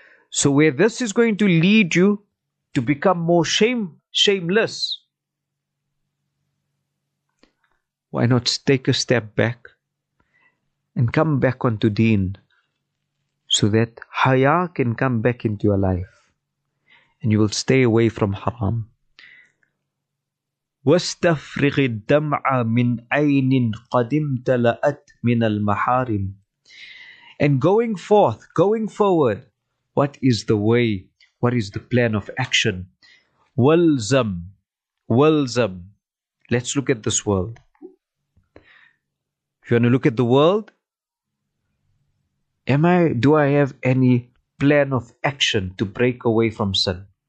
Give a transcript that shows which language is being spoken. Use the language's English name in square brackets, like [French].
[English] So where this is going to lead you to become more shameless, why not take a step back and come back onto deen, so that haya can come back into your life and you will stay away from haram. [Arabic] واستفرغ الدمع من عين قد امتلأت من المحارم. [English] And going forward, what is the way? What is the plan of action? Walzam. Let's look at this world. If you want to look at the world, do I have any plan of action to break away from sin?